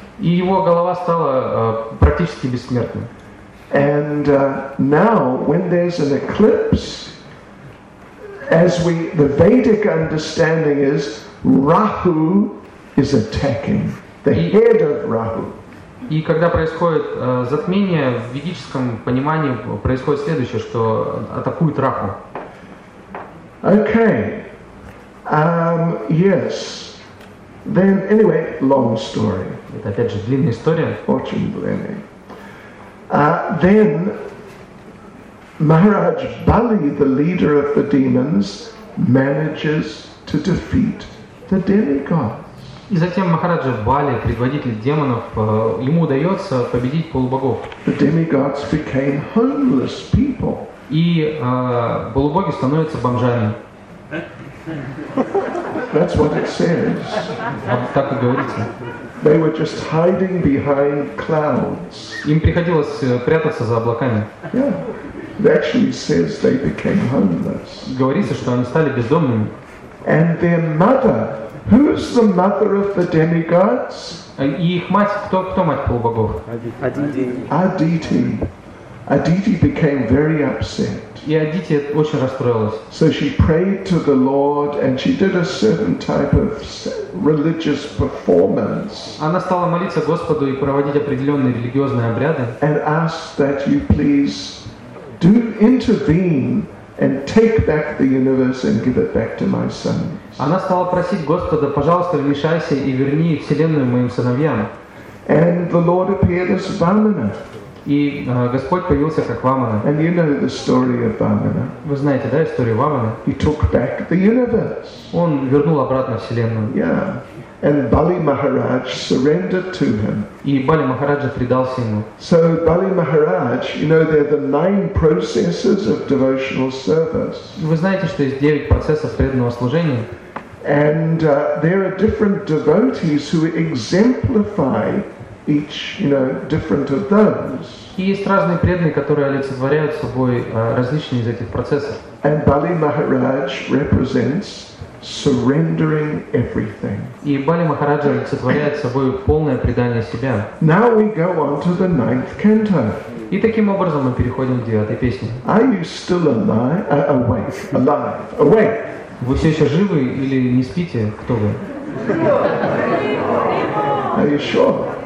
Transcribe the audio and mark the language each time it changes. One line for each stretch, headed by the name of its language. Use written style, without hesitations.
Russian: И его голова стала практически бессмертной.
English: And now, when there's an eclipse, the Vedic understanding is Rahu is attacking the head of Rahu.
Russian: И когда происходит затмение в ведическом понимании происходит следующее, что атакует Раху.
English: Okay. Yes. Then, anyway, long story.
Russian: Это опять же длинная история. Очень длинная.
English: Then, Maharaj Bali, the leader of the demons, manages to defeat the demigods.
Russian: И затем Махараджа Бали, предводитель демонов, ему удается победить полубогов.
English: The demigods became homeless people.
Russian: И полубоги становятся бомжами.
English: That's what it says.
Russian: Так и говорится.
English: They were just hiding behind clouds.
Russian: Им приходилось прятаться за облаками.
English: Yeah. It actually says they became homeless.
Russian: Говорится, что они стали бездомными.
English: And their mother, who's the mother of the demigods?
Russian: И их мать, кто мать полубогов?
English: Aditi. Aditi became very upset.
Russian: И Адити очень расстроилась.
English: So she prayed to the Lord and she did a certain type of religious performance.
Russian: Она стала молиться Господу и проводить определенные религиозные обряды.
English: And asked that you please do intervene and take back the universe and give it back to my sons.
Russian: Она стала просить Господа, пожалуйста, вмешайся и верни вселенную моим сыновьям.
English: And the Lord appeared as Vamana.
Russian: И Господь появился как Вамана.
English: And you know the story of Vamana.
Russian: Вы знаете, да, историю Вамана?
English: He took back the universe.
Russian: Он вернул обратно вселенную.
English: Yeah. And Bali Maharaj surrendered to him.
Russian: И Бали Махараджа предался ему.
English: So Bali Maharaj, you know, there are the 9 processes of devotional service.
Russian: Вы знаете, что есть 9 процессов преданного служения?
English: And there are different devotees who exemplify each, you know, different of those.
Russian: И есть разные преданные, которые олицетворяют собой различные из этих процессов.
English: And Bali Maharaj represents surrendering everything.
Russian: И Бали Махараджа олицетворяет собой полное предание себя.
English: Now we go on to the 9th canto.
Russian: И таким образом мы переходим к 9-й песне.
English: Are you still alive? Awake? Alive? Awake?
Russian: Вы все еще живы или не спите? Кто вы?
English: Are you sure?